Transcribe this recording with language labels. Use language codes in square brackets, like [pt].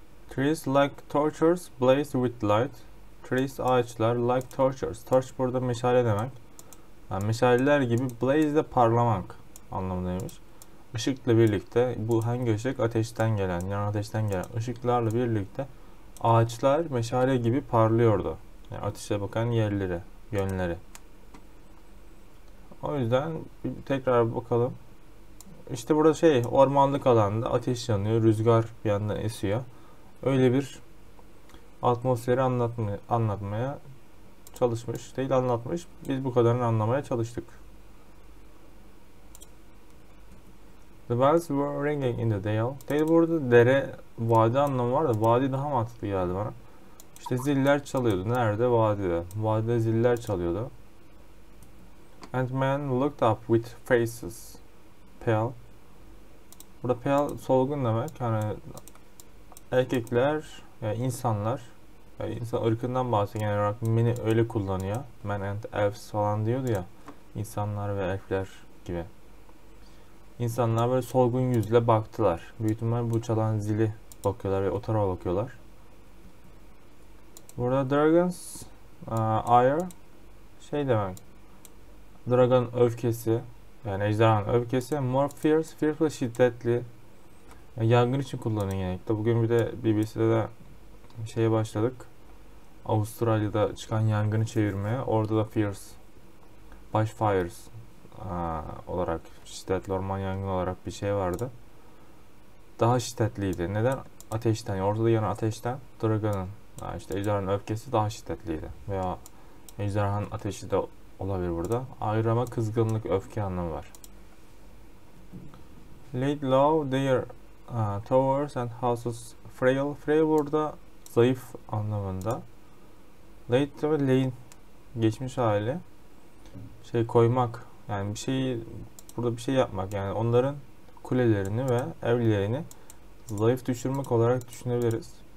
[en] Trees like torches blaze with light. Trees [tr] ağaçlar [en] like torches. [tr] Torch burada meşale demek. Yani meşaleler gibi blaze de parlamak anlamındaymış. Işıkla birlikte bu hangi ışık? Ateşten gelen, yani ateşten gelen ışıklarla birlikte ağaçlar meşale gibi parlıyordu. Yani ateşe bakan yerleri, yönleri. O yüzden tekrar bakalım. İşte burada şey, ormanlık alanda ateş yanıyor, rüzgar bir yandan esiyor. Öyle bir atmosferi anlatmaya çalışmış, değil anlatmış. Biz bu kadarını anlamaya çalıştık. [en] The bells were ringing in the dale. [tr] Dale burada dere, vadi anlamı var da vadi daha mantıklı geldi bana. İşte ziller çalıyordu. Nerede? Vadide. Vadide ziller çalıyordu. [en] And men looked up with faces pale. [tr] Burada pale solgun demek. Yani erkekler, yani insanlar, yani insan ırkından bahsediyor. Genel olarak men'i öyle kullanıyor. Men and elves falan diyordu ya. İnsanlar ve elfler gibi. İnsanlar böyle solgun yüzle baktılar. Büyük ihtimal bu çalan zili bakıyorlar ve o tarafa bakıyorlar. Burada dragons, ire şey demek. Dragon öfkesi, yani ejderhanın öfkesi. More fierce, fearful, şiddetli. Yani yangın için kullanılıyor genellikle. Bugün bir de BBC'de de şeye başladık. Avustralya'da çıkan yangını çevirmeye. Orada da fierce, bushfires olarak, şiddetli orman yangını olarak bir şey vardı. Daha şiddetliydi. Neden? Ateşten, orada da yanan ateşten. Dragon'ın, yani işte ejderhanın öfkesi daha şiddetliydi. Veya ejderhanın ateşi de olabilir burada. Ayrama, kızgınlık, öfke anlamı var. [en] Laid low their towers and houses frail. [tr] Frail burada zayıf anlamında. Laid ve lay'in geçmiş hali. Şey koymak, yani bir şeyi burada bir şey yapmak, yani onların kulelerini ve evlerini zayıf düşürmek olarak düşünebiliriz.